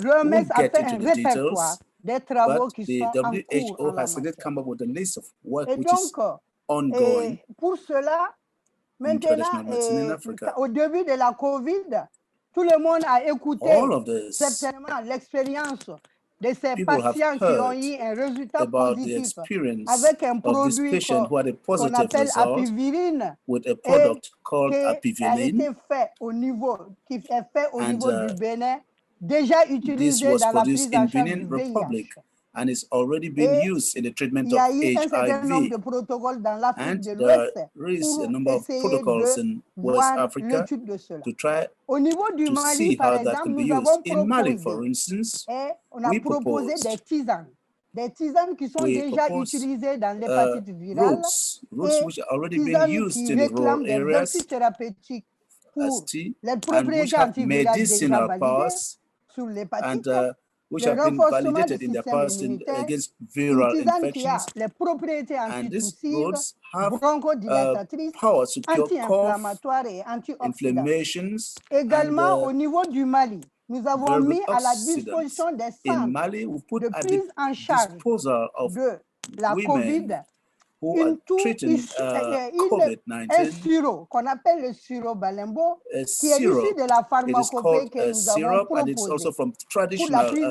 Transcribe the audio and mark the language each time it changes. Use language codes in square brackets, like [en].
[fr] L'OMS a fait un répertoire des travaux qui sont en cours. [en] WHO has indeed come up with a list of work which is ongoing. [fr] Et pour cela, maintenant, au début de la COVID, tout le monde a écouté certainement l'expérience de ces patients qui ont eu un résultat positif avec un produit qu'on appelle apivirine, [en] with a product called apivirine, [fr] qui est fait au niveau du Bénin, déjà utilisé dans la prise en charge du VIH. [en] And it's already been used in the treatment of HIV. And there is a number of protocols in West Africa to try to see how that can be used. In Mali, for instance, we proposed roots which are already being used in rural areas as tea, and which have medicinal powers, and which have been validated in their past against viral infections. And these roots have power to cure cough, inflammations, [fr] également au niveau du Mali, nous avons mis à la disposition des [en] in Mali, we put at the disposal of women who are treating COVID-19, a syrup, it is called a syrup, and it's also from traditional